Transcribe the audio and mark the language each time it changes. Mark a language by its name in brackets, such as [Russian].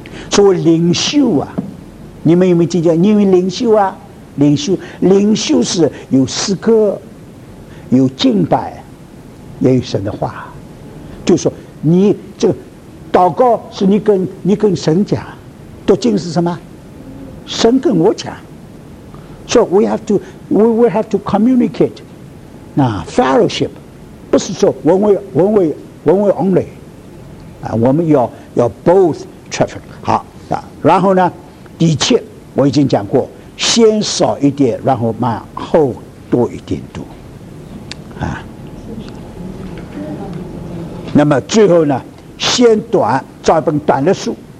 [Chinese] 所谓灵修啊，你们有没有听见？因为灵修啊，灵修是有诗歌，有敬拜，也有神的话。就是说你这祷告是你跟神讲，读经是什么？神跟我讲。 [English] So we have to communicate, fellowship, [Chinese] 不是说 [English] one way only, [Chinese] 我们要 [English] both traffic. [Chinese] 好，然后呢，底切我已经讲过，先少一点，然后慢，后多一点读，那么最后呢，先短，找一本短的书。